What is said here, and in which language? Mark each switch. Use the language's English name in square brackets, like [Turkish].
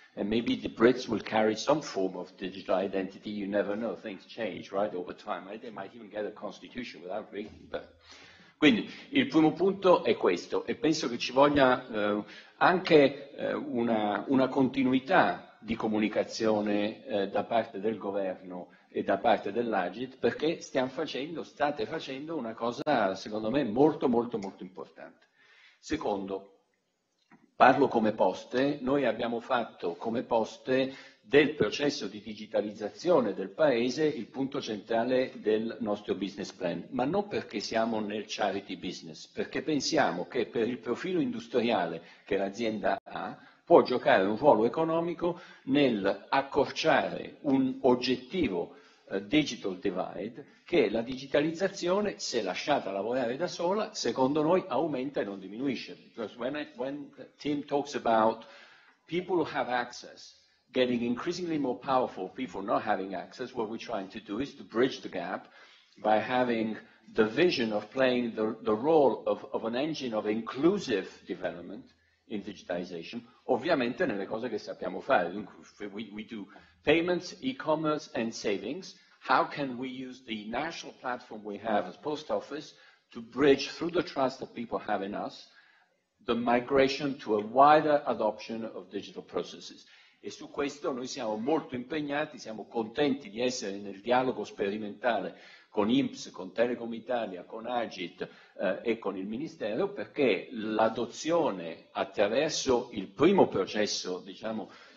[English] And maybe the Brits will carry some form of digital identity. You never know, things change, right, over time. They might even get a constitution without reading. [Italian] But... Quindi il primo punto è questo. E penso che ci voglia anche una continuità di comunicazione da parte del governo e da parte dell'Agid, perché state facendo una cosa, secondo me, molto, molto, molto importante. Secondo, Parlo come Poste, noi abbiamo fatto come Poste del processo di digitalizzazione del paese il punto centrale del nostro business plan, ma non perché siamo nel charity business, perché pensiamo che per il profilo industriale che l'azienda ha può giocare un ruolo economico nel accorciare un oggettivo digital divide che la digitalizzazione, se lasciata lavorare da sola, secondo noi aumenta e non diminuisce. [English] Because when Tim talks about people who have access getting increasingly more powerful, people not having access, what we're trying to do is to bridge the gap by having the vision of playing the role of an engine of inclusive development in digitization, [Italian] ovviamente nelle cose che sappiamo fare. [English] We do payments, e-commerce and savings. How can we use the national platform we have as post office to bridge through the trust that people have in us the migration to a wider adoption of digital processes? [Italian] E su questo noi siamo molto impegnati, siamo contenti di essere nel dialogo sperimentale con INPS, con Telecom Italia, con Agit e con il Ministero, perché l'adozione attraverso il primo processo, diciamo,